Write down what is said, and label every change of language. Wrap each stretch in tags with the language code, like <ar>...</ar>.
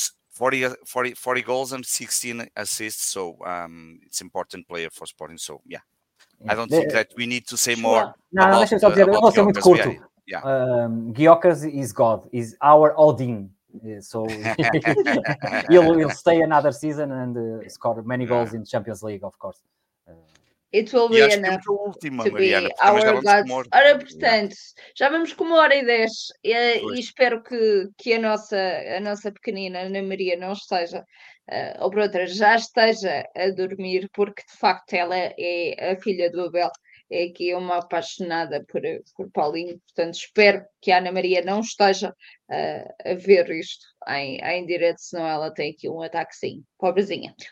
<en>40 goals and 16 assists, so it's an important player for Sporting, so yeah. I don't think that we need to say more.</en> <pt>Não, deixa-me só dizer, eu vou ser muito curto.</pt> <en>Gyökeres is God, is our Odin, so he'll stay another season and score many goals in Champions League, of course. It will be enough to be our God.</en> <pt>Ora, portanto, já vamos com 1h10 e espero que a nossa pequenina Ana Maria não esteja, ou por outra, já esteja a dormir, porque de facto ela é a filha do Abel, é aqui uma apaixonada por Paulinho, portanto espero que a Ana Maria não esteja a ver isto em direto, senão ela tem aqui um ataquezinho, pobrezinha.</pt>